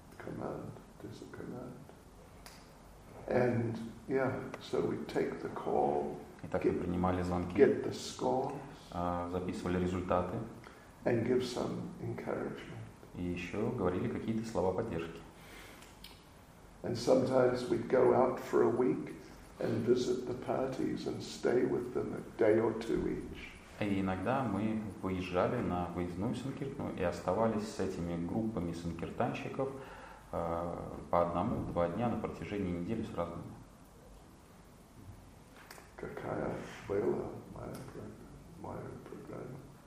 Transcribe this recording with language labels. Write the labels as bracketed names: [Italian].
[English] Command. 10 command. And yeah, so we take the call. [Russian] И так мы принимали звонки. [English] Get the scores. [Russian] Записывали результаты. [English] And give some encouragement. [Russian] И еще говорили какие-то слова поддержки. [English] And sometimes we'd go out for a week and visit the parties and stay with them a day or two each. [Russian] И иногда мы выезжали на выездную синкиртну и оставались с этими группами синкиртанщиков по одному-два дня на протяжении недели с разными. Какая была моя программа? Моя программа.